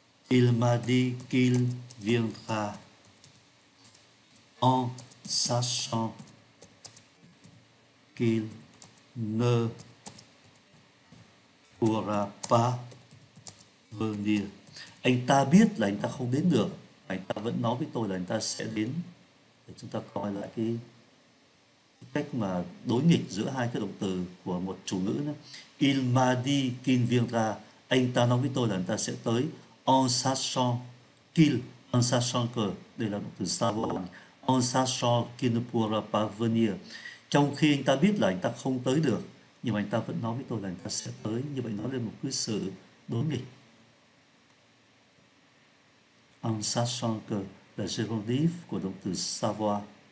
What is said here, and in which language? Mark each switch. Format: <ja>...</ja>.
<fr>Il m'a dit qu'il viendra en sachant qu'il ne pourra pas venir.</fr> <vi>Anh ta biết là anh ta không đến được. Anh ta vẫn nói với tôi là anh ta sẽ đến. Để chúng ta coi lại cái cách mà đối nghịch giữa hai cái động từ của một chủ ngữ. Nữa.</vi> <fr>Il m'a dit qu'il viendra.</fr> <vi>Anh ta nói với tôi là anh ta sẽ tới.</vi> <fr>En sachant qu'il, en sachant que,</fr> <vi>đây là động từ</vi> <fr>savoir. En sachant qu'il ne pourra pas venir.</fr> <vi>Trong khi anh ta biết là anh ta không tới được. Nhưng mà anh ta vẫn nói với tôi là anh ta sẽ tới. Như vậy nói lên một cái sự đối nghịch.</vi> <fr>En sachant que,</fr> <vi>là gérondif của động từ savoir.</vi>